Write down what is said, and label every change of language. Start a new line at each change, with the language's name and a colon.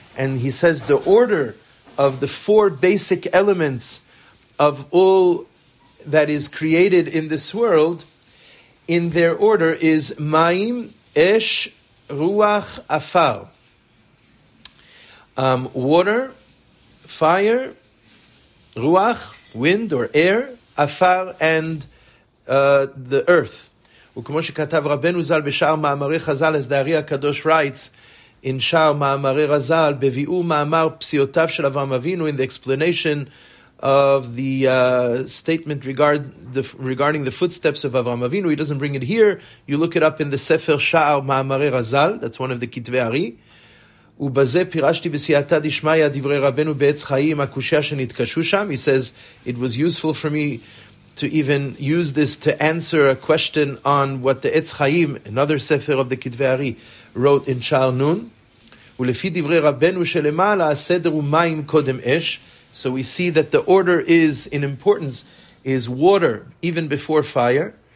English: And he says the order of the four basic elements of all that is created in this world, in their order, is ma'im, esh, ruach, afar. Water, fire, ruach, wind or air, afar, and the earth.
Hebrew: וכמו שכתב רבנו זל בשער מאמרי חזל, אז דארי הקדוש
English: writes in
Hebrew: שער מאמרי רזל, בביאו מאמר פסיעותיו של אברהם אבינו,
English: in the explanation of the statement regarding the footsteps of
Hebrew: אברהם אבינו.
English: He doesn't bring it here. You look it up in the ספר שער מאמרי רזל. That's one of the כתבי ארי.
Hebrew: ובזה פירשתי בסייעתא דשמיא דברי רבנו בעץ חיים, הקושיה שנתקשו שם.
English: He says, it was useful for me to even use this to answer a question on what the Etz Chaim, another sefer of the Kitvei Ari, wrote in Shaar Nun.
Hebrew: Ulefi divrei Rabbeinu shelemala, seder umayim kodem esh.
English: So we see that the order is, in importance, is water, even before fire.